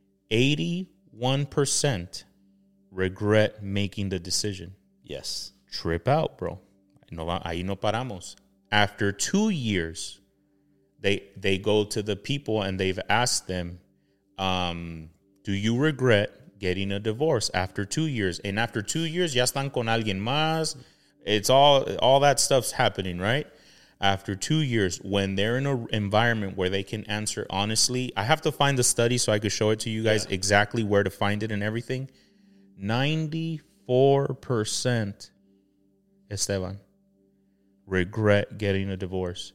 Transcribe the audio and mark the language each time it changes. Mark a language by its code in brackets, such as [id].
[en] 81% regret making the decision. Yes. Trip out, bro. [es] Ahí no paramos. [en] After 2 years, they go to the people and they've asked them, do you regret getting a divorce after 2 years? And after 2 years, [es] ya están con alguien más. [en] It's all that stuff's happening, right? After 2 years, when they're in an environment where they can answer honestly, I have to find the study so I could show it to you guys exactly where to find it and everything. 94%, Esteban, regret getting a divorce.